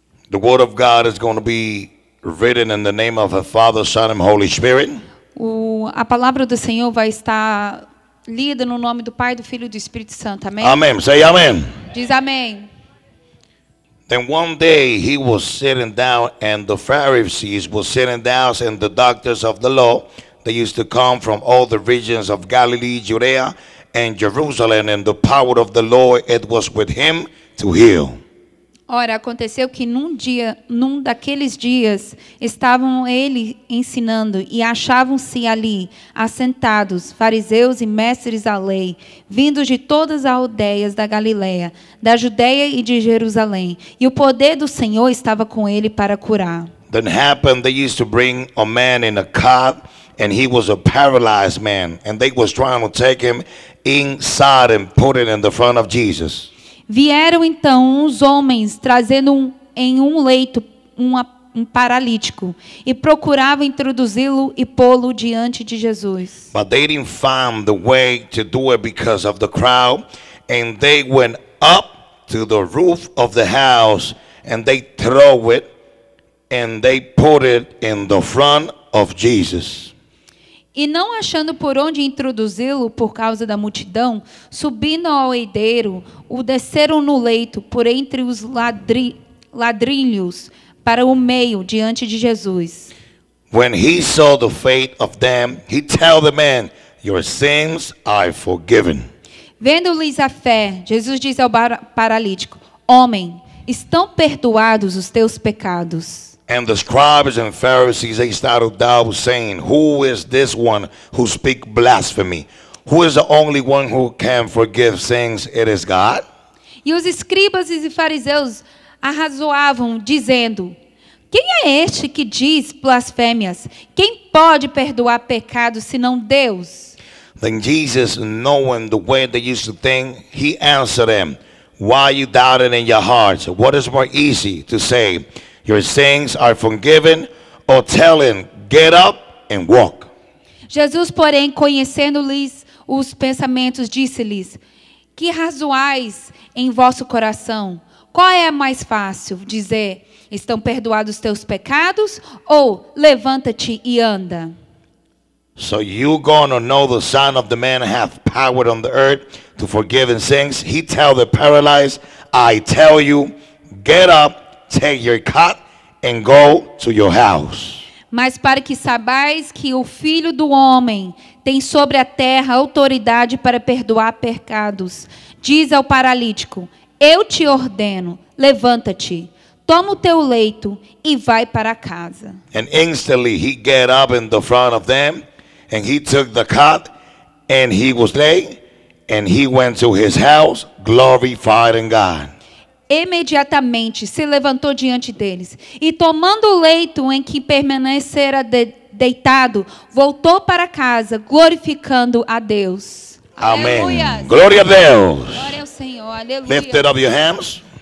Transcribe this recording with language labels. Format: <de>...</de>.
<en>The word of God is going to be written in the name of the Father, Son and Holy Spirit.</en> <pt>A palavra do Senhor vai estar lida no nome do Pai, do Filho e do Espírito Santo. Amém.</pt> <en>Amém. Say amém.</en> <pt>Diz amém.</pt> <en>Then one day he was sitting down and the Pharisees were sitting down and the doctors of the law, they used to come from all the regions of Galilee, Judea and Jerusalem, and the power of the Lord it was with him to heal.</en> <pt>Ora, aconteceu que num daqueles dias, estavam ele ensinando e achavam-se ali assentados fariseus e mestres da lei, vindos de todas as aldeias da Galiléia, da Judéia e de Jerusalém. E o poder do Senhor estava com ele para curar.</pt> <en>Then happened they used to bring a man in a cart, and he was a paralyzed man, and they was trying to take him inside and put it in the front of Jesus.</en> <pt>Vieram então uns homens trazendo em um leito um paralítico e procuravam introduzi-lo e pô-lo diante de Jesus.</pt> <en>But they didn't find the way to do it because of the crowd, and they went up to the roof of the house and they threw it and they put it in the front of Jesus.</en> <pt>E não achando por onde introduzi-lo por causa da multidão, subindo ao eideiro, o desceram no leito por entre os ladrilhos para o meio diante de Jesus.</pt> <en>When he saw the faith of them, he tell the man, your sins are forgiven.</en> <pt>Vendo-lhes a fé, Jesus diz ao paralítico, homem, estão perdoados os teus pecados.</pt> <en>And the scribes and Pharisees, they started doubt, saying, who is this one who speak blasphemy? Who is the only one who can forgive sins? It is God?</en> <pt>E os escribas e fariseus arrazoavam, dizendo, quem é este que diz blasfêmias? Quem pode perdoar pecados senão Deus?</pt> <en>Then Jesus, knowing the way they used to think, he answered them, why you doubting in your hearts? What is more easy to say? Your sins are forgiven, or tell him, get up and walk.</en> <pt>Jesus, porém, conhecendo-lhes os pensamentos, disse-lhes, que razoais em vosso coração? Qual é mais fácil, dizer, estão perdoados teus pecados, ou levanta-te e anda?</pt> <en>So you're going to know the Son of the Man hath power on the earth to forgive sins. He tell the paralyzed, I tell you, get up. Take your cot and go to your house.</en> <pt>Mas para que saibais que o Filho do Homem tem sobre a terra autoridade para perdoar pecados, diz ao paralítico, eu te ordeno, levanta-te, toma o teu leito e vai para casa.</pt> <en>And instantly he got up in the front of them, and he took the cot, and he was laid, and he went to his house, glorifying God.</en> <pt>Imediatamente se levantou diante deles e tomando o leito em que permanecera deitado, voltou para casa, glorificando a Deus. Amém. Glória a Deus. Glória ao Senhor. Aleluia.</pt> <en>Lift up your hands.</en>